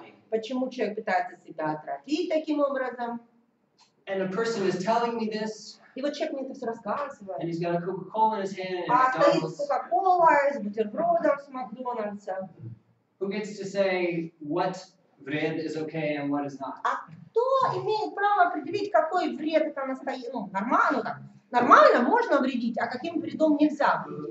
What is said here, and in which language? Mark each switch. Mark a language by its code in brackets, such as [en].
[ru] Почему человек пытается себя отравить таким образом? [en] And a person is telling me this. [ru] И вот человек мне это все рассказывает. [en] And he's got a Coca-Cola in his hand, and [ru] а стоит с Coca-Cola, с бутербродом, с Макдональдса. [en] Who gets to say what [ru] вред [en] is okay and what is not? [ru] Кто имеет право определить, какой вред это настоящий? Ну, нормально, так. Нормально можно вредить, а каким вредом нельзя?